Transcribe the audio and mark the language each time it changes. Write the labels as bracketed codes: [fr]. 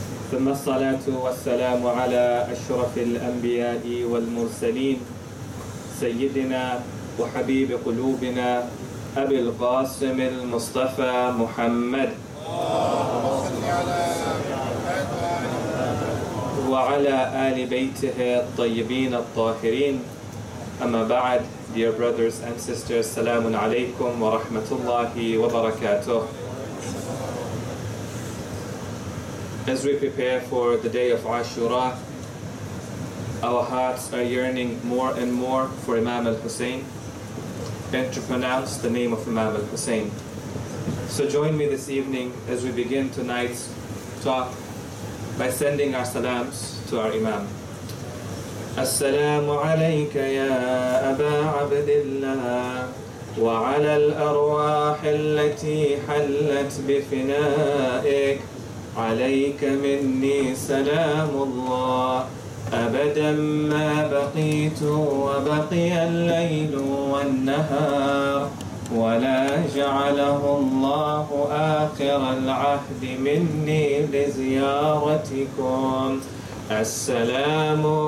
[ar] ثم الصلاة والسلام على أشرف الأنبياء والمرسلين، سيدنا وحبيب قلوبنا أبي القاسم المصطفى محمد، وعلى آل بيته الطيبين الطاهرين. أما بعد، [en] dear brothers and sisters, [ar] سلام عليكم ورحمة الله وبركاته. [en] As we prepare for the day of Ashura, our hearts are yearning more and more for Imam al-Hussein and to pronounce the name of Imam al-Hussein. So join me this evening as we begin tonight's talk by sending our salams to our Imam. [ar] As-salamu alayka ya Aba Abdillah wa ala al-arwah allati hallat bifinaik عليك مني سلام الله أبدا ما بقيت وبقي الليل والنهار ولا جعله الله آخر العهد مني لزيارتكم السلام